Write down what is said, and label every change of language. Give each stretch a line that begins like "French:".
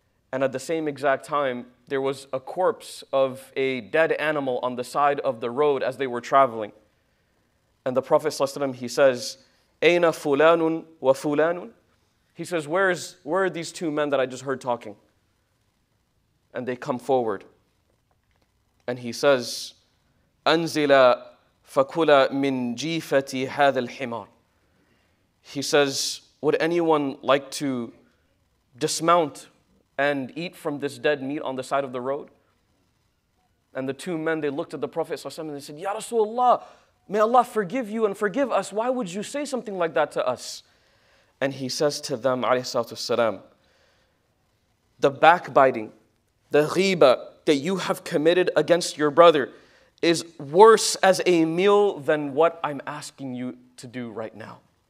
English: And at the same exact time, there was a corpse of a dead animal on the side of the road as they were traveling. And the Prophet sallallahu alaihi wasallam, he says,
Arabic: Aina fulanun wa fulanun?
English: He says, where are these two men that I just heard talking? And they come forward. And he says,
Arabic: أنزل فكل من جيفة هذا الحمار.
English: He says, would anyone like to dismount and eat from this dead meat on the side of the road? And the two men, they looked at the Prophet ﷺ and they said, Ya Rasulullah, may Allah forgive you and forgive us. Why would you say something like that to us? And he says to them, alayhi salatu wasalam, the backbiting, the ghiba that you have committed against your brother is worse as a meal than what I'm asking you to do right now.